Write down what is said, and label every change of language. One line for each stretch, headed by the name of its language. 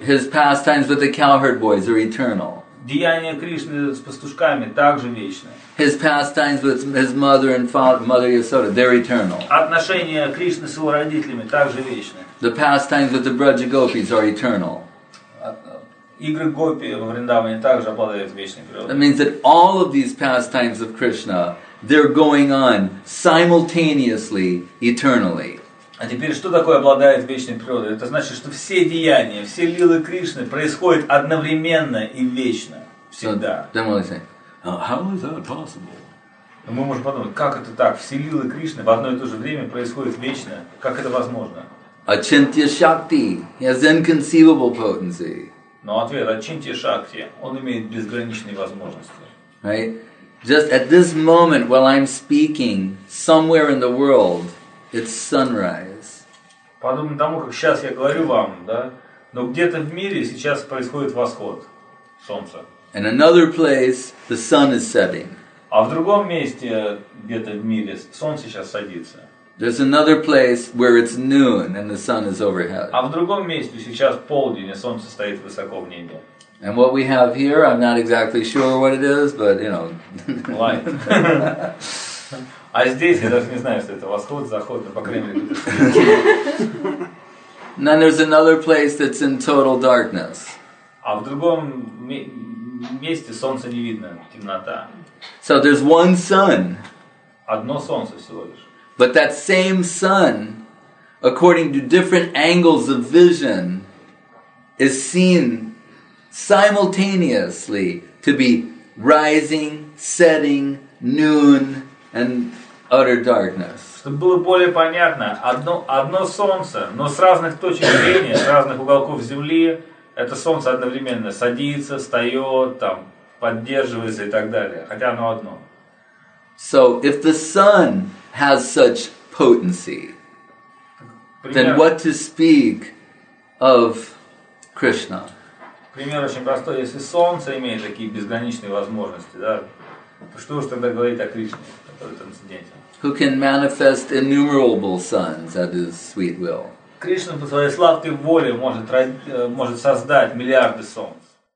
English: His pastimes with the cowherd boys are eternal.
Russian: Деяния Кришны с пастушками также вечны.
English: His pastimes with his mother and father, mother Yasoda, they're eternal.
Russian: Отношения Кришны с его родителями также вечны.
English: The pastimes with the Braja Gopis are eternal.
Russian: Игры Гопи во Вриндаване также обладают вечной природой.
English: That means that all of these pastimes of Krishna, they're going on simultaneously, eternally.
Russian: А теперь, что такое обладает вечной природой? Это значит, что все деяния, все лилы Кришны происходят одновременно и вечно. Всегда.
English: So, then we'll say, how is that possible?
Russian: Мы можем подумать, как это так? Все лилы Кришны в одно и то же время происходят вечно. Как это возможно?
English: Ачинтья Шакти. He has inconceivable potency.
Russian: Но ответ, Ачинтья Шакти, он имеет безграничные возможности.
English: Right? Just at this moment, while I'm speaking, somewhere in the world, it's sunrise.
Russian: Подобно тому, как сейчас я говорю вам, да? Но где-то в мире сейчас происходит восход солнца.
English: In another place, the sun is setting.
Russian: А в другом месте, где-то в мире, солнце сейчас садится.
English: There's another place where it's noon and the sun is overhead.
Russian: А в другом месте сейчас полдень, и солнце стоит высоко в небе.
English: And what we have here, I'm not exactly sure what it is, but you know. Light.
Russian: А здесь я даже не знаю, что это восход, заход, но по крайней мере.
English: And then there's another place that's in total darkness.
Russian: А в другом месте солнце не видно, темнота.
English: So there's one sun.
Russian: Одно солнце всего лишь.
English: But that same sun, according to different angles of vision, is seen simultaneously to be rising, setting, noon, and utter darkness.
Russian: Чтобы было более понятно, одно солнце, но с разных точек зрения, с разных уголков Земли, это солнце одновременно садится, встает, там, поддерживается и так далее, хотя оно одно.
English: So, if the sun has such potency, then what to speak of Krishna?
Russian: Пример очень простой. Если солнце имеет такие безграничные возможности, да, то что уж тогда говорить о Кришне, который трансцендентен?
English: Who can manifest innumerable suns at his sweet will?
Russian: Кришна по своей сладкой воле может создать миллиарды солнц.